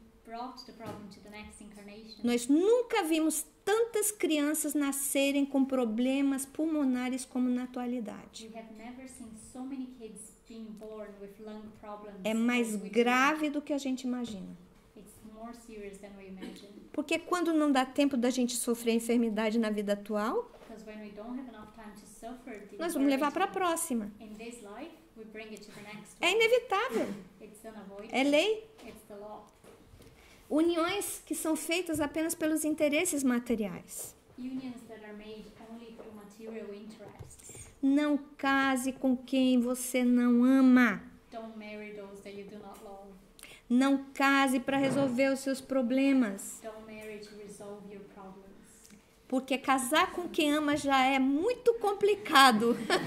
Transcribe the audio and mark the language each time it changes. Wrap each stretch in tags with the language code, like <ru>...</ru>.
<en>Brought the problem to the next incarnation.</en> <pt>Nós nunca vimos tantas crianças nascerem com problemas pulmonares como na atualidade.</pt> <en>We have never seen so many kids being born with lung problems.</en> <pt>É mais grave do que a gente imagina.</pt> <en>It's more serious than we imagine.</en> <pt>Porque quando não dá tempo da gente sofrer enfermidade na vida atual,</pt> <en>Because when we don't have enough time to suffer the</en> <pt>nós vamos levar para a próxima.</pt> <en>In this life, we bring it to the next one.</en> <pt>É inevitável.</pt> <en>It's unavoidable.</en> <pt>É lei.</pt> <en>It's the law.</en> <pt>Uniões que são feitas apenas pelos interesses materiais.</pt> <en>unions that are made only through material interests.</en> <pt>Não case com quem você não ama.</pt> <en>Don't marry those that you do not love.</en> <pt>Não case para resolver os seus problemas.</pt> <en>Don't marry to resolve your problems.</en> <pt>Porque casar com quem ama já é muito complicado.</pt>